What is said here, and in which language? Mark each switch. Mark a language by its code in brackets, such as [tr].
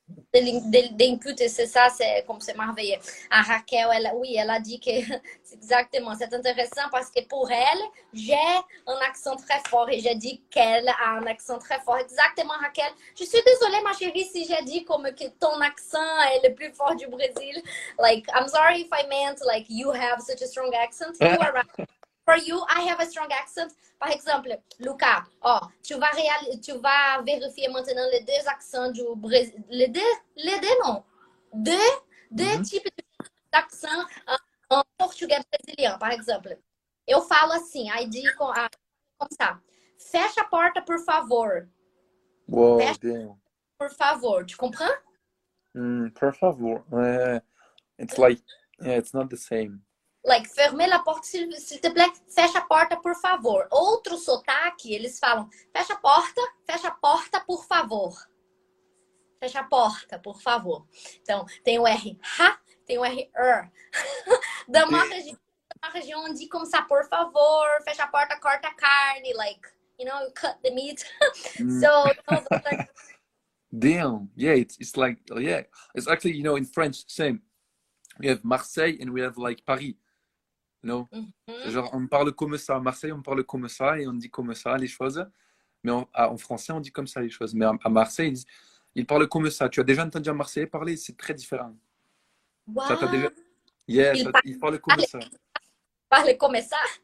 [fr] D'input, et c'est ça, c'est comme c'est merveilleux. À Raquel, elle a dit que c'est exactement, c'est intéressant parce que pour elle, j'ai un accent très fort et j'ai dit qu'elle a un accent très fort. Exactement, Raquel. Je suis désolée, ma chérie, si j'ai dit comme que ton accent est le plus fort du Brésil. [en] Like, I'm sorry if I meant like you have such a strong accent. You are right. For you, I have a strong accent. [fr] Par exemple, Luca, oh, tu vas vérifier maintenant les deux accents du Brésil. Deux mm-hmm. types d'accents en portugais brésilien, par exemple. [pt] Eu falo assim, aí digo como está. Fecha a porta, por favor. [en] Wow, fecha damn. [pt] Por favor, [fr] tu comprends? [en] Por favor. It's like, yeah, it's not the same. [pt] Like, fermer a porta, [fr] s'il te plaît, [pt] fecha a porta, por favor. Outro sotaque, eles falam, fecha a porta, por favor. Fecha a porta, por favor. Então, tem o R, ha, tem o R, er. Da uma região onde, como se, por favor, fecha a porta, corta a carne, [en] like, you know, you cut the meat. [pt] So, [en] damn, yeah, it's like, yeah, it's actually, you know, in French, same. We have Marseille and we have, like, Paris. No. Mm-hmm. [fr] Genre, on parle comme ça à Marseille, on parle comme ça et on dit comme ça les choses. Mais en français, on dit comme ça les choses. Mais à Marseille, ils parlent comme ça. Tu as déjà entendu un Marseillais parler, c'est très différent. Wow. Ça, t'as déjà... Yeah, ils parlent comme ça. Parlent comme ça.